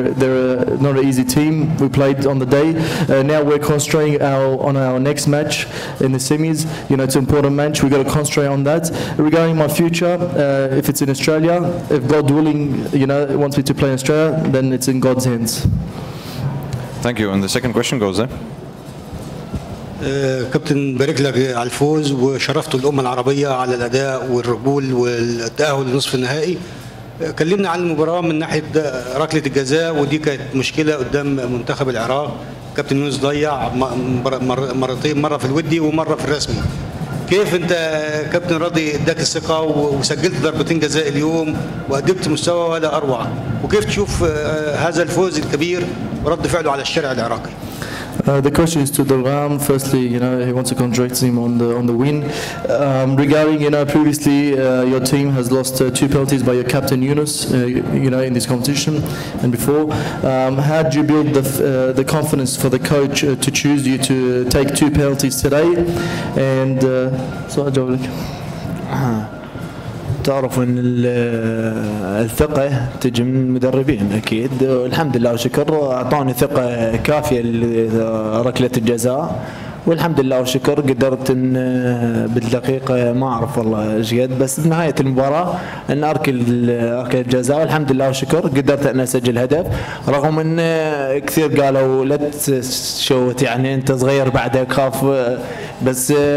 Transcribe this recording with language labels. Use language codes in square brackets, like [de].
[en] They're not an easy team. We played on the day. Now we're concentrating on our next match in the semis. You know, it's an important match. We've got to concentrate on that. Regarding my future, if it's in Australia, if God willing, you know, wants me to play in Australia, then it's in God's hands. Thank you. And the second question goes there. [ar] كابتن بارك لك على الفوز وشرفت الأمة العربية على الأداء والرجول والتأهل لنصف النهائي كلمنا عن المباراة من ناحية ركلة الجزاء ودي كانت مشكلة قدام منتخب العراق كابتن يونس ضيع مرتين مره في الودي ومره في الرسمي. كيف انت كابتن رضي اداك الثقه وسجلت ضربتين جزاء اليوم وادبت مستوى ولا اروع؟ وكيف تشوف هذا الفوز الكبير ورد فعله على الشارع العراقي؟ [en] The question is to Dogram. Firstly, you know, he wants to congratulate him on the win. Regarding, you know, previously your team has lost two penalties by your captain Yunus, you know, in this competition and before. How did you build the confidence for the coach to choose you to take two penalties today? And so I don't [ar] تعرف ان الثقه تجي من المدربين اكيد والحمد لله وشكر اعطوني ثقه كافيه لركله الجزاء والحمد لله وشكر قدرت ان بالدقيقه ما اعرف والله ايش قد بس بنهايه المباراه ان اركل الجزاء والحمد لله وشكر قدرت ان اسجل هدف رغم ان كثير قالوا لا تشوت يعني انت صغير بعدك خاف بس